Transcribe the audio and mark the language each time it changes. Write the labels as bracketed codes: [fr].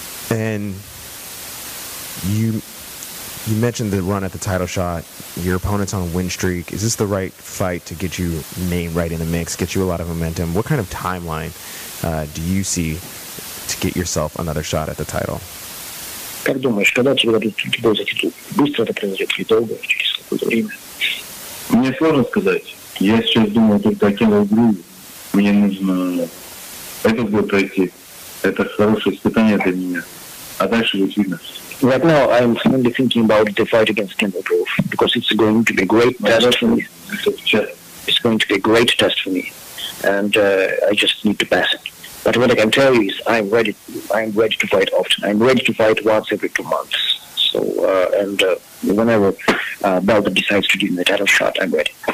[en] And you mentioned the run at the title shot. Your opponent's on a win streak. Is this the right fight to get you name right in the mix, get you a lot of momentum? What kind of timeline do you see to get yourself another shot at the title? [ru] Как думаешь, когда тебе дадут бой за титул? Быстро это произойдет или долго, через какое-то время? Мне сложно сказать. Я сейчас думаю только о тело игры. Мне нужно этот год пройти. Это хорошее испытание для меня. А дальше будет видно. [en] Right now I'm only thinking about the fight against Kendall Grove, because it's going to be a great test for me. It's going to be a great test for me. And I just need to pass it. But what I can tell you is I'm ready to fight often. I'm ready to fight once every 2 months. So, whenever Belton decides to give me the title shot, I'm ready.